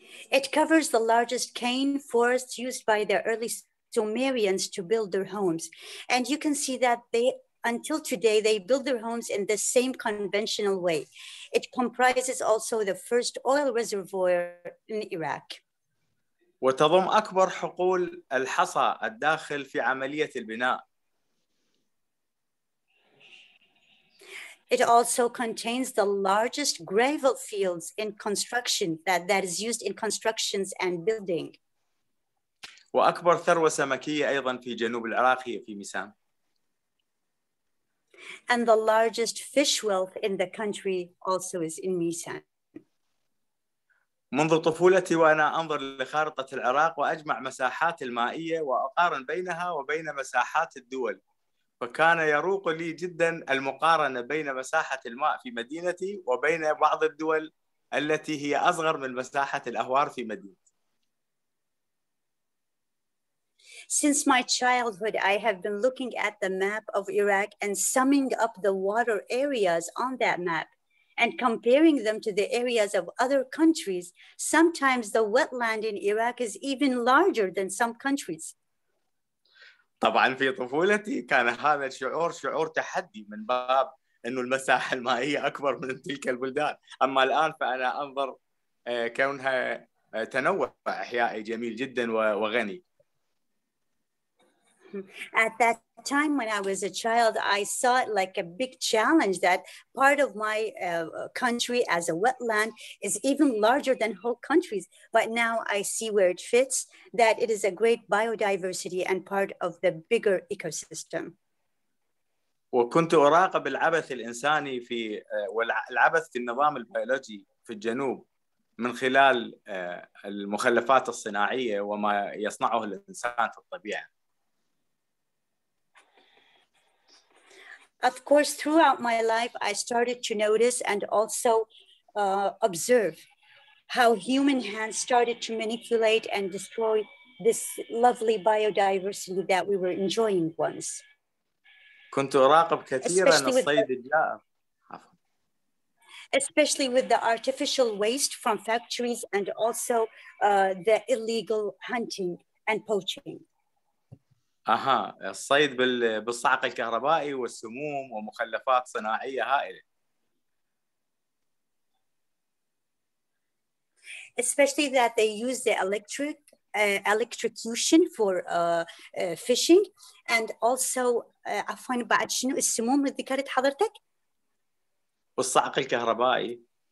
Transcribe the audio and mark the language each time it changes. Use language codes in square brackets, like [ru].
[en] It covers the largest cane forests used by the early Sumerians to build their homes and you can see that they until today they build their homes in the same conventional way. It comprises also the first oil reservoir in Iraq. [ar] وتضم أكبر حقول الحصى الداخل في عملية البناء. [en] It also contains the largest gravel fields in construction that is used in constructions and building. [ar] وأكبر ثروة سمكية أيضا في جنوب العراق هي في ميسان. [en] And the largest fish wealth in the country also is in Misan. [ar] منذ طفولتي وأنا أنظر لخارطة العراق وأجمع مساحات المائية وأقارن بينها وبين مساحات الدول. فكان يروق لي جدا المقارنة بين مساحة الماء في مدينتي وبين بعض الدول التي هي أصغر من مساحة الأهوار في مدينتي. [en] Since my childhood, I have been looking at the map of Iraq and summing up the water areas on that map and comparing them to the areas of other countries. Sometimes the wetland in Iraq is even larger than some countries. [ar] طبعاً في طفولتي كان هذا شعور تحدي من باب إنه المساحة المائية أكبر من تلك البلدان. أما الآن فأنا أنظر كونها تنوع أحيائي جميل جداً وغني. [en] At that time when I was a child, I saw it like a big challenge that part of my country as a wetland is even larger than whole countries. But now I see where it fits, that it is a great biodiversity and part of the bigger ecosystem. [ar] وكنت أراقب العبث الإنساني في والعبث في النظام البيولوجي في الجنوب من خلال المخلفات الصناعية وما يصنعه الإنسان في الطبيعة. [en] Of course, throughout my life, I started to notice and also observe how human hands started to manipulate and destroy this lovely biodiversity that we were enjoying once. [ar] كنت أراقب كثيراً الصيد [en] especially with the artificial waste from factories and also the illegal hunting and poaching. [ar] أها الصيد بالصعق الكهربائي والسموم ومخلفات صناعية هائلة. [en] Especially that they use the electrocution for fishing and also [ar] عفوا بعد شنو السموم اللي ذكرت حضرتك؟ بالصعق الكهربائي.